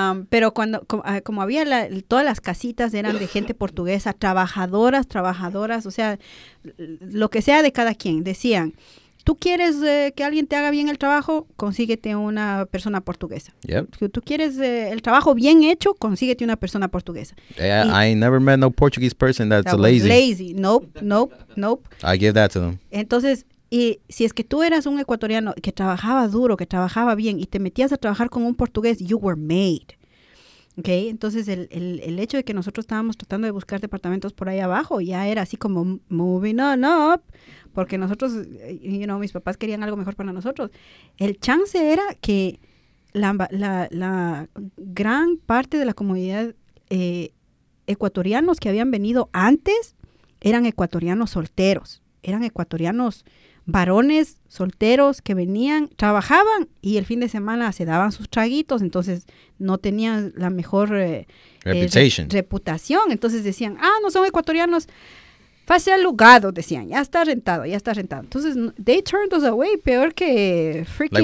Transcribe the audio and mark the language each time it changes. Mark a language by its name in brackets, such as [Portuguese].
[Spanish] pero cuando, como había todas las casitas eran de gente portuguesa, trabajadoras, o sea, lo que sea de cada quien, decían... tú quieres que alguien te haga bien el trabajo, consíguete una persona portuguesa. [English] Yep. [Spanish] Tú quieres el trabajo bien hecho, consíguete una persona portuguesa. [English] I never met no Portuguese person that's that lazy. Lazy. Nope, nope, nope. I give that to them. [Spanish] Entonces, y si es que tú eras un ecuatoriano que trabajaba duro, que trabajaba bien, y te metías a trabajar con un portugués, [English] you were made. [Spanish] Okay, entonces el hecho de que nosotros estábamos tratando de buscar departamentos por ahí abajo ya era así como [English] moving on up, [Spanish] porque nosotros, [English] you know, [Spanish] mis papás querían algo mejor para nosotros. El chance era que la gran parte de la comunidad ecuatorianos que habían venido antes eran ecuatorianos solteros, eran ecuatorianos varones solteros que venían, trabajaban y el fin de semana se daban sus traguitos, entonces no tenían la mejor reputación. Entonces decían, ah, no son ecuatorianos, fácil alugado, decían, ya está rentado, ya está rentado. Entonces, [English] they turned us away, [Spanish] peor que [English] freaking.